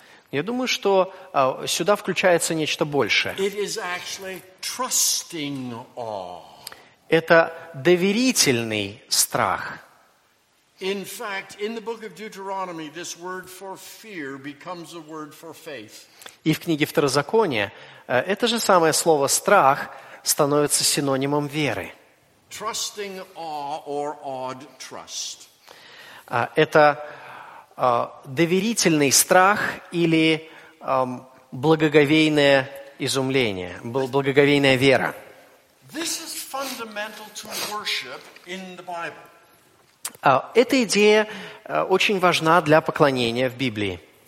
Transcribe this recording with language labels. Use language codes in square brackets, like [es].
[ru] Я думаю, что сюда включается нечто большее. Это доверительный страх. [en] In fact, in the book of Deuteronomy, this word for fear becomes a word for faith. [ru] И в книге Второзакония это же самое слово страх становится синонимом веры. [en] Trusting awe or awed trust. [ru] Это доверительный страх или благоговейное изумление, благоговейная вера. [en] This is fundamental to worship in the Bible. [ru] Эта идея очень важна для поклонения в Библии.